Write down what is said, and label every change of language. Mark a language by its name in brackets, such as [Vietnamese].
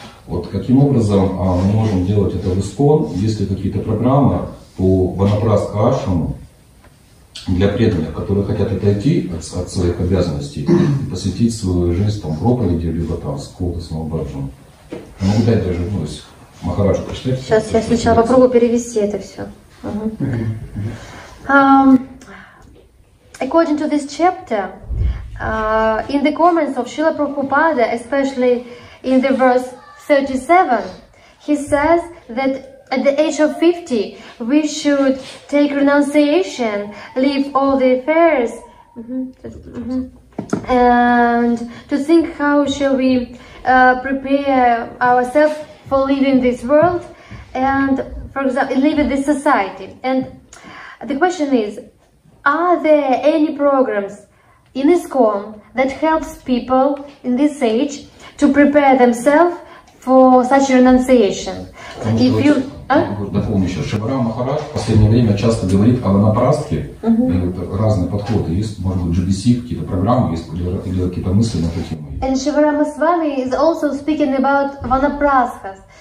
[Russian] Вот каким образом мы можем делать это в ИСКОН, есть ли какие-то программы по ванапрасха ашраму для преданных, которые хотят отойти от своих обязанностей и посвятить свою жизнь там, проповеди, либо там скулу самобраджану. Я могу дать даже Махараджу прочитать. Сейчас я сначала попробую перевести это все. [English] According to this chapter, in the comments of Srila Prabhupada, especially in the verse 37, he says that at the age of 50, we should take renunciation, leave all the affairs, and to think how shall we prepare ourselves for leaving this world, and for example, leaving this society. And the question is, are there any programs in ISKCON that helps people in this age to prepare themselves for such renunciation? If you [Russian] дополню еще. Шабара Махарадж в последнее время часто говорит о ванапрасхе, разные подходы. Есть, может быть, GBC, какие-то программы есть, или какие-то мысли на эту тему. [English] And Shivaram Swami is also speaking about vanaprasthas.